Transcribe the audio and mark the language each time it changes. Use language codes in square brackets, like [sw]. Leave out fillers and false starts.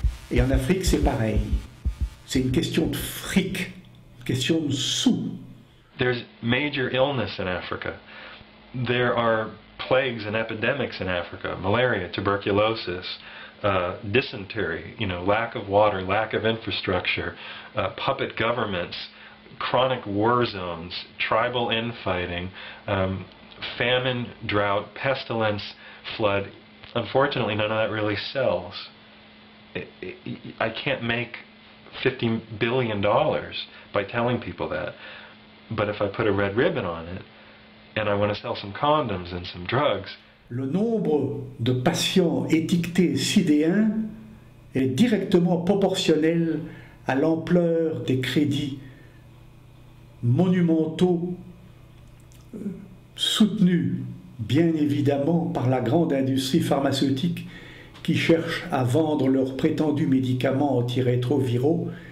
[fr] Et en Afrique, c'est pareil. C'est une question de fric, une question de sous. [en] There's major illness in Africa. There are plagues and epidemics in Africa, malaria, tuberculosis, dysentery, you know, lack of water, lack of infrastructure, puppet governments, chronic war zones, tribal infighting, famine, drought, pestilence, flood. Unfortunately, none of that really sells. I can't make $50 billion by telling people that, but if I put a red ribbon on it, and I want to sell some condoms and some drugs. [fr] Le nombre de patients étiquetés sidéens est directement proportionnel à l'ampleur des crédits monumentaux soutenus, bien évidemment, par la grande industrie pharmaceutique qui cherche à vendre leurs prétendus médicaments antirétroviraux.